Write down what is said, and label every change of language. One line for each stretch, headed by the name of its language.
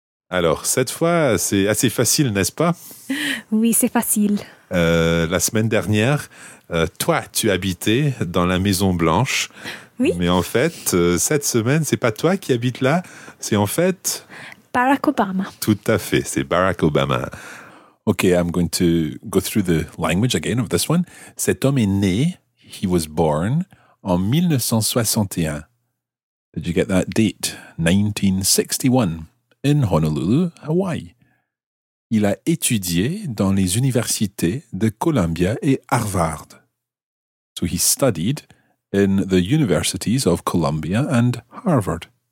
French: Alors, cette fois, c'est assez facile, n'est-ce pas? Oui, c'est facile. La semaine dernière, toi, tu habitais dans la Maison Blanche. Oui. Mais en fait, cette semaine, c'est pas toi qui habites là, c'est en fait... Barack Obama. Tout à fait, c'est Barack Obama.
English: Okay, I'm going to go through the language again of this one.
French: Cet homme est né,
English: he was born,
French: en 1961.
English: Did you get that date? 1961, in Honolulu, Hawaii.
French: Il a étudié dans les universités de Columbia et Harvard.
English: So he studied in the universities of Columbia and Harvard.